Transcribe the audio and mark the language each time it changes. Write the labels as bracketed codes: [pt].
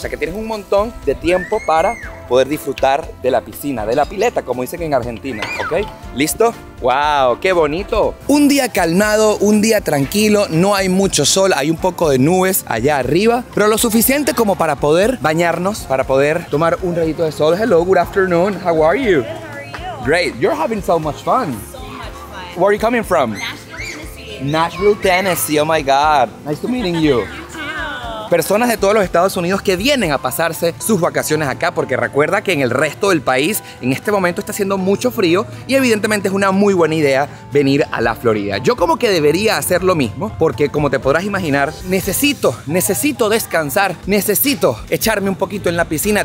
[es] O sea que tienes un montón de tiempo para poder disfrutar de la piscina, de la pileta, como dicen en Argentina, ¿ok? ¿Listo? ¡Wow! ¡Qué bonito! Un día calmado, un día tranquilo, no hay mucho sol, hay un poco de nubes allá arriba, pero lo suficiente como para poder bañarnos, para poder tomar un rayito de sol. [en] Hello, good afternoon, how are you? Great, you're having so much fun. So much fun. Where are you coming from? Nashville, Tennessee. Nashville, Tennessee, oh my God. Nice to meeting you. [es] Personas de todos los Estados Unidos que vienen a pasarse sus vacaciones acá, porque recuerda que en el resto del país en este momento está haciendo mucho frío y evidentemente es una muy buena idea venir a la Florida. Yo como que debería hacer lo mismo porque, como te podrás imaginar, necesito descansar, necesito echarme un poquito en la piscina.